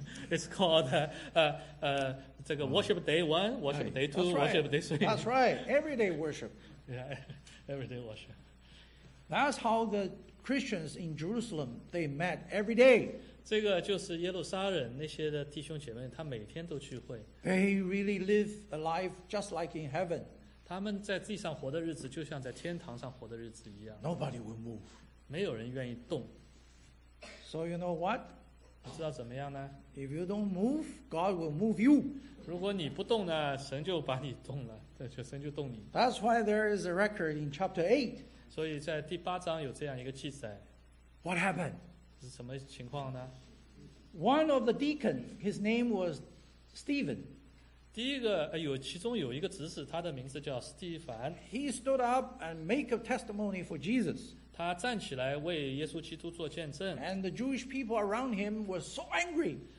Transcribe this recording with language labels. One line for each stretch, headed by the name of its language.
English: It's called this worship day one, worship day two, worship day three. That's right, every day worship. Yeah, every day worship. That's how the Christians in Jerusalem, they met every day.
Chinese: 这个就是耶路撒冷那些的弟兄姐妹，他每天都聚会。
English: They really live a life just like in heaven.
Chinese: 他们在地上活的日子就像在天堂上活的日子一样。
English: Nobody will move.
Chinese: 没有人愿意动。
English: So you know what?
Chinese: 你知道怎么样呢？
English: If you don't move, God will move you.
Chinese: 如果你不动呢，神就把你动了，对，神就动你。
English: That's why there is a record in chapter 8.
Chinese: 所以在第八章有这样一个记载。
English: What happened?
Chinese: 是什么情况呢？
English: One of the deacon, his name was Stephen.
Chinese: 第一个，其中有一个执事，他的名字叫斯蒂凡。
English: He stood up and make a testimony for Jesus.
Chinese: 他站起来为耶稣基督做见证。
English: And the Jewish people around him were so angry.